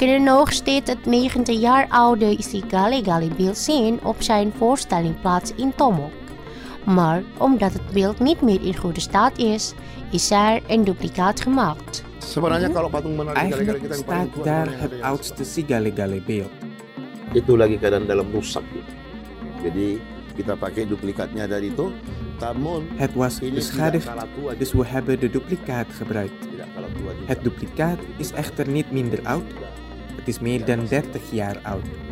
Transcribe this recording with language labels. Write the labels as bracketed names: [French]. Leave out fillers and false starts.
[Dutch] kunnen nog steeds het 90 jaar oude Sigali Gali beeld zien op zijn voorstelling plaats in Tomok. Maar omdat het beeld niet meer in goede staat is, is er een duplicaat gemaakt. Eigenlijk staat daar het oudste Sigali Gali beeld. [Indonesian] Itu lagi keadaan dalam rusak. Jadi kita pakai duplikatnya dari itu. [Dutch] Het was beschadigd, dus we hebben de duplicaat gebruikt. Het duplicaat is echter niet minder oud. Het is meer dan 30 jaar oud.